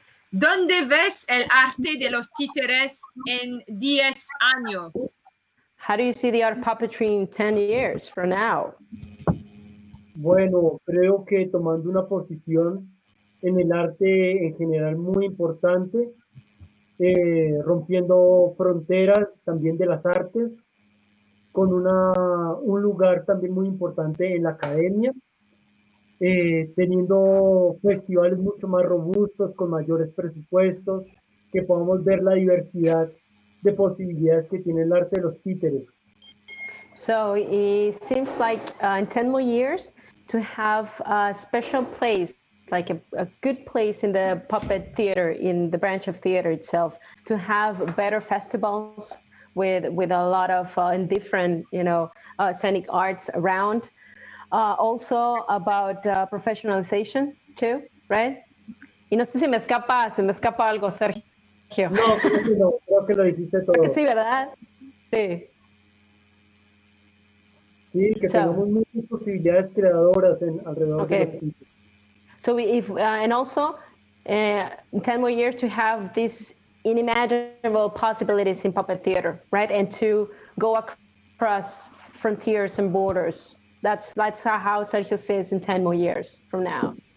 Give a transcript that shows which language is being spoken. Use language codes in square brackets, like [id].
[es] ¿Dónde ves el arte de los títeres en 10 años? [en] How do you see the art puppetry in 10 years from now? [es] Bueno, creo que tomando una posición en el arte en general muy importante, rompiendo fronteras también de las artes, con un lugar también muy importante en la academia, teniendo festivales mucho más robustos, con mayores presupuestos, que podamos ver la diversidad de posibilidades que tiene el arte de los títeres. [en] So it seems like in 10 more years to have a special place, like a good place in the puppet theater, in the branch of theater itself, to have better festivals, with a lot of different, you know, scenic arts around. Also about professionalization too, right? [es] Y no sé si se me escapa algo, Sergio. No, creo que lo dijiste todo. Sí, ¿verdad? Sí. Sí, que so, tenemos muchas posibilidades creadoras alrededor okay. de los títulos. [en] So and also, 10 more years to have this inimaginable possibilities in puppet theater, right? And to go across frontiers and borders. That's how Sergio says in 10 more years from now.